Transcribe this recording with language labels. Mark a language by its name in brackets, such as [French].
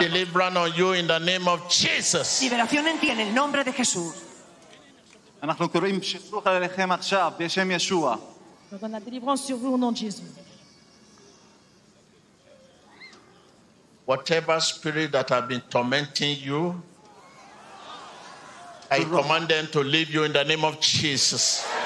[English] Deliverance on you in the name of Jesus. [Spanish] Liberación en ti en el nombre de Jesús. [Hebrew] אנחנו קוראים שיצוח עליכם עכשיו בשם ישוע. [French] On a deliverance sur vous au nom de Jésus. [English] Whatever spirit that have been tormenting you, I command them to leave you in the name of Jesus.